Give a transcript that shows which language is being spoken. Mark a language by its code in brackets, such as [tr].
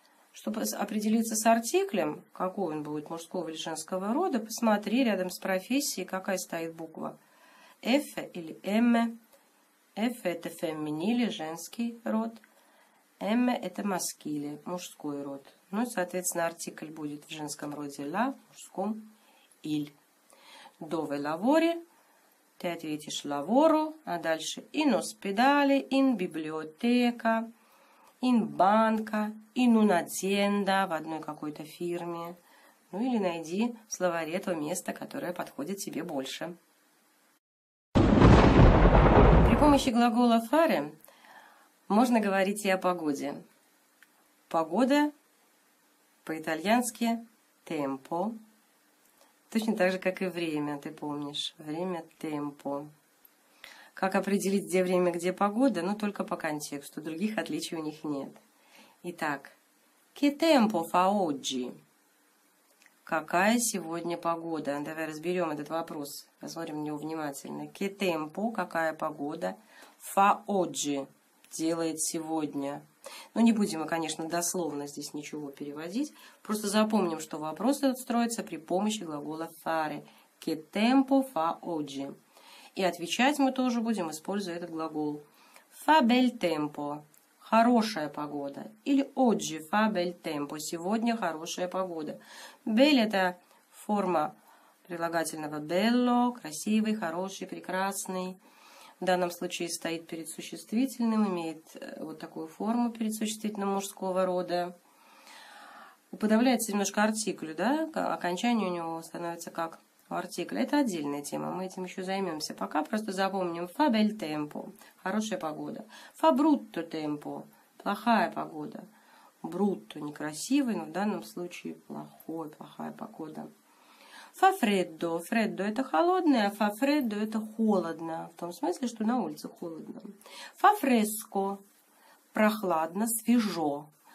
[ru] Чтобы определиться с артиклем, какой он будет, мужского или женского рода, посмотри рядом с профессией, какая стоит буква. F или M. F – это феминили или женский род. M – это маскили, мужской род. Ну и, соответственно, артикль будет в женском роде la, в мужском – il. [it] Dove lavori? [ru] Ты ответишь [it] lavoro, а дальше in ospedale, in biblioteca, in banca, in un'azienda, [ru] в одной какой-то фирме. Ну или найди в словаре то место, которое подходит тебе больше. При помощи глагола fare можно говорить и о погоде. Погода по-итальянски tempo. Точно так же, как и время, ты помнишь. Время – темпо. Как определить, где время, где погода? Ну, только по контексту. Других отличий у них нет. Итак, [it] che tempo fa oggi? [ru] Какая сегодня погода? Давай разберем этот вопрос. Посмотрим на него внимательно. [it] Che tempo [ru] – какая погода? [it] Fa oggi [ru] – делает сегодня. Ну, не будем мы, конечно, дословно здесь ничего переводить. Просто запомним, что вопрос этот строится при помощи глагола fare. [it] Che tempo fa oggi? [ru] И отвечать мы тоже будем, используя этот глагол. [it] Fa bel tempo. [ru] Хорошая погода. Или [it] oggi fa bel tempo. [ru] Сегодня хорошая погода. Bel – это форма прилагательного bello. Красивый, хороший, прекрасный. В данном случае стоит перед существительным, имеет вот такую форму перед существительным мужского рода. Уподавляется немножко артиклю, да? Окончание у него становится как у артикля. Это отдельная тема, мы этим еще займемся. Пока просто запомним [it] «fa bel tempo» [ru] – хорошая погода. [it] «Fa brutto tempo» – [ru] плохая погода. «Brutto» – некрасивый, но в данном случае плохой, плохая погода. [it] Fa freddo. [ru] Freddo – это холодное, а [it] fa freddo [ru] – это холодно. В том смысле, что на улице холодно. [it] Fa fresco. [ru] Прохладно, свежо.